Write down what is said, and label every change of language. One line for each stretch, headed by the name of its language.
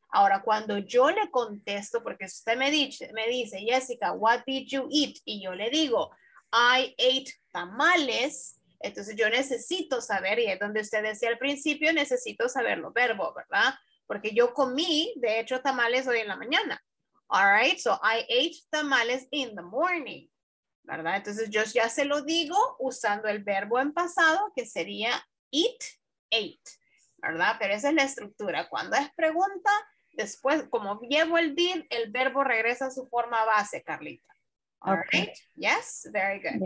Spanish: Ahora, cuando yo le contesto, porque usted me dice, Jessica,
English: what did you eat?
Spanish: Y yo le digo,
English: I ate tamales.
Spanish: Entonces yo necesito saber, y es donde usted decía al principio, necesito saber los verbos, ¿verdad? Porque yo comí, de hecho, tamales hoy en la mañana.
English: All right, so I ate tamales in the morning.
Spanish: ¿Verdad? Entonces yo ya se lo digo usando el verbo en pasado, que sería eat, ate, ¿verdad? Pero esa es la estructura. Cuando es pregunta, después, como llevo el did, el verbo regresa a su forma base, Carlita.
English: All okay. Right? Yes? Very good.